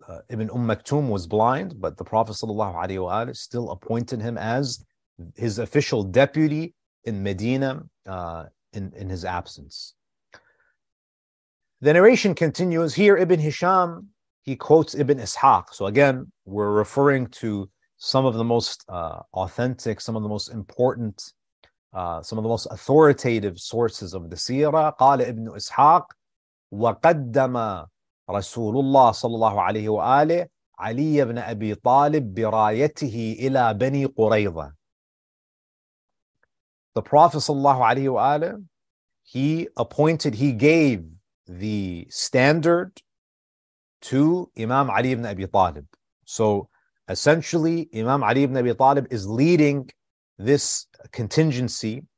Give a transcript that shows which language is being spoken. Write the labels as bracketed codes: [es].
[en] Ibn Umm Maktoum was blind, but the Prophet sallallahu alaihi wa alihi still appointed him as his official deputy in Medina in his absence. The narration continues. Here Ibn Hisham, he quotes Ibn Ishaq. So again, we're referring to some of the most authentic, some of the most important, some of the most authoritative sources of the seerah. [ar] Qala Ibn Ishaq, وَقَدَّمَا رسول الله صلى الله عليه وآله علي بن أبي طالب برايته إلى بني قريظة. [en] The Prophet صلى الله عليه وآله, he appointed, he gave the standard to Imam Ali ibn Abi Talib. So essentially, Imam Ali ibn Abi Talib is leading this contingency.